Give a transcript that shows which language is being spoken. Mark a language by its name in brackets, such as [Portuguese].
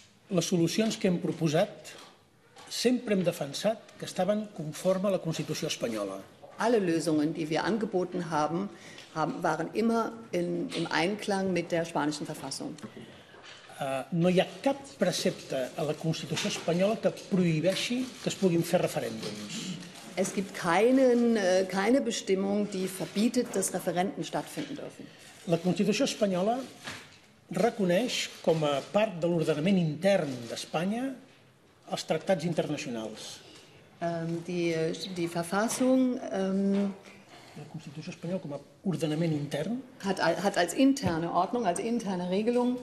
[Catalan] Les solucions que hem proposat sempre hem defensat que estaven conforme a la Constitució espanyola. [German] Alle Lösungen, die wir angeboten haben, waren immer im Einklang mit der spanischen Verfassung. [Catalan] No hi ha cap precepte a la Constitució espanyola que prohibeixi que es puguin fer referèndums. [German] Es gibt keine Bestimmung, die verbietet, dass Referenden stattfinden dürfen. [Catalan] La Constitució espanyola reconeix com a part de l'ordenament intern d'Espanya els tractats internacionals. [German] Die Verfassung [Catalan] La Constitució espanyola com a ordenament intern [German] hat als interne Ordnung, als interne Regelung